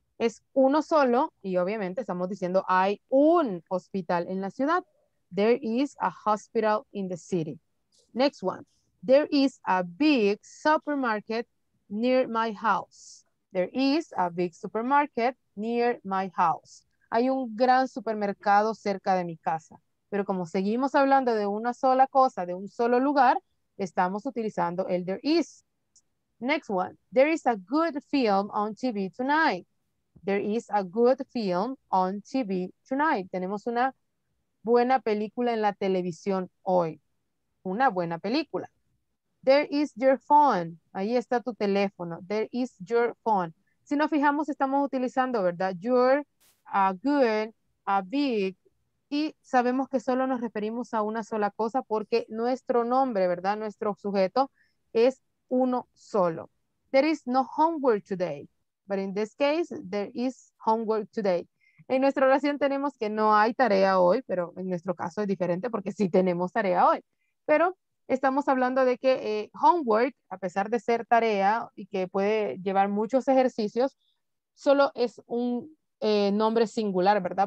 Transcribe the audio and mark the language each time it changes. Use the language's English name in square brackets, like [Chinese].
[Spanish] Es uno solo, y obviamente estamos diciendo hay un hospital en la ciudad. [English] There is a hospital in the city. Next one. There is a big supermarket near my house. There is a big supermarket near my house. [Spanish] Hay un gran supermercado cerca de mi casa. Pero como seguimos hablando de una sola cosa, de un solo lugar, estamos utilizando el there is. Next one. [English] There is a good film on TV tonight. There is a good film on TV tonight. [Spanish] Tenemos una buena película en la televisión hoy. [English] Una buena película. There is your phone. [Spanish] Ahí está tu teléfono. There is your phone. Si nos fijamos, estamos utilizando, ¿verdad? [English] Your, a good, a big. [Spanish] Y sabemos que solo nos referimos a una sola cosa porque nuestro nombre, ¿verdad? Nuestro sujeto es uno solo. There is no homework today. [English] But in this case, there is homework today. [Spanish] En nuestra oración tenemos que no hay tarea hoy, pero en nuestro caso es diferente porque sí tenemos tarea hoy. Pero estamos hablando de que homework, a pesar de ser tarea y que puede llevar muchos ejercicios, solo es un nombre singular, ¿verdad?